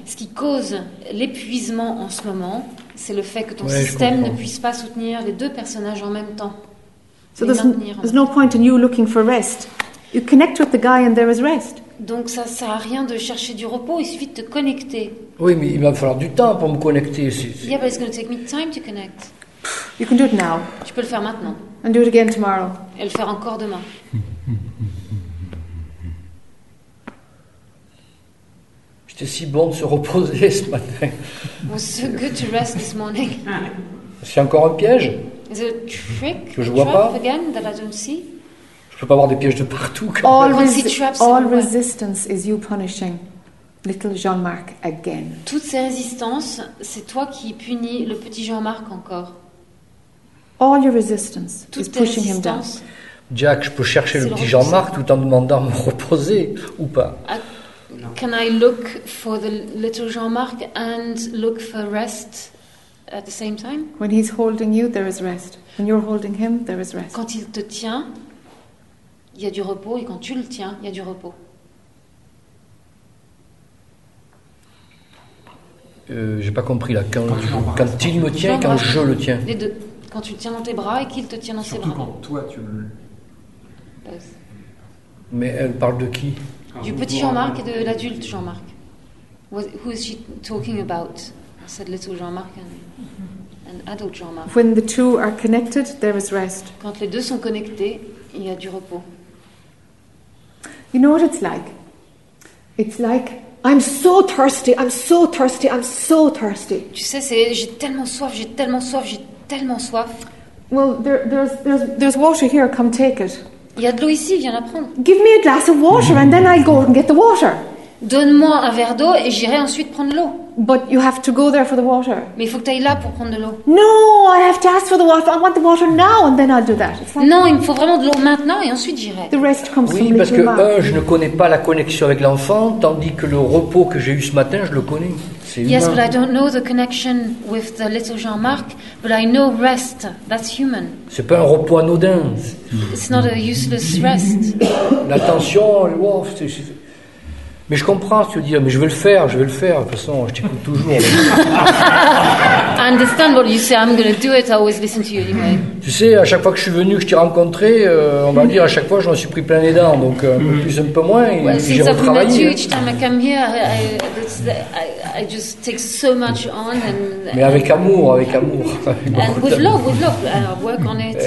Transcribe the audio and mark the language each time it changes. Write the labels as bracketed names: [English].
[French] Ce qui cause l'épuisement en ce moment, c'est le fait que ton système ne puisse pas soutenir les deux personnages en même temps. [English] So there's no point in you looking for rest. You connect with the guy and there is rest. [French] Donc ça ne sert à rien de chercher du repos, il suffit de te connecter. Oui, mais il va falloir du temps pour me connecter. [English] Yeah, but it's going to take me time to connect. You can do it now. [French] Tu peux le faire maintenant. [English] And do it again tomorrow. [French] Et le faire encore demain. J'étais si bon de se reposer ce matin. [English] It was so good to rest this morning. [French] C'est encore un piège? [English] Is it a trick? [French] Que je vois pas. [English] Again, that I don't see? [French] Je peux pas avoir des pièges de partout. [English] All resistance is you punishing little Jean-Marc again. [French] Toutes ces résistances, c'est toi qui punis le petit Jean-Marc encore. [English] All your resistance is pushing him down. [French] Jack, je peux chercher le petit Jean-Marc tout en demandant à me reposer ou pas? [English] Can I look for the little Jean-Marc and look for rest? At the same time, when he's holding you, there is rest. When you're holding him, there is rest. [French] Quand il te tient, il y a du repos, et quand tu le tiens, il y a du repos. J'ai pas compris là. Quand il me tient, quand je le tiens. Les deux. Quand tu le tiens dans tes bras et qu'il te tient dans ses bras. Surtout quand toi tu le. Pause. Mais elle parle de qui? Du petit Jean-Marc et de l'adulte Jean-Marc. [English] Who is she talking about? Said little Jean-Marc and adult Jean-Marc. When the two are connected, there is rest. Quand les deux sont connectés, il y a du repos. You know what it's like? It's like I'm so thirsty. I'm so thirsty. I'm so thirsty. [French] Tu sais, c'est j'ai tellement soif. J'ai tellement soif. J'ai tellement soif. [English] Well, there's water here. Come take it. [French] Il y a de l'eau ici. Viens la prendre. [English] Give me a glass of water, and then I'll go and get the water. [French] Donne-moi un verre d'eau et j'irai ensuite prendre l'eau. [English] But you have to go there for the water. [French] Mais il faut que tu ailles là pour prendre de l'eau. [English] No, I have to ask for the water. I want the water now and then I'll do that. [French] Like, non, il me faut vraiment de l'eau maintenant et ensuite j'irai. [English] The rest comes [French] oui, [English] from [French] parce que un, je ne connais pas la connexion avec l'enfant, tandis que le repos que j'ai eu ce matin, je le connais. C'est [English] yes, [French] humain. [English] But I don't know the connection with the little Jean-Marc, but I know rest. That's human. [French] C'est pas un repos anodin. [English] It's not a useless rest. [French] L'attention, le wolf, c'est... Mais je comprends ce que tu veux dire, mais je vais le faire. De toute façon, je t'écoute toujours. [English] I understand what you say, I'm going to do it, I always listen to you anyway. [French] Tu sais, à chaque fois que je suis venu, que je t'ai rencontré, on va dire à chaque fois, je m'en suis pris plein les dents, donc un peu moins, et [English] well, [French] j'ai retravaillé. [English] Since I've met you, each time I come here, I just take so much on. [French] Mais avec amour. [English] with love, I work on it.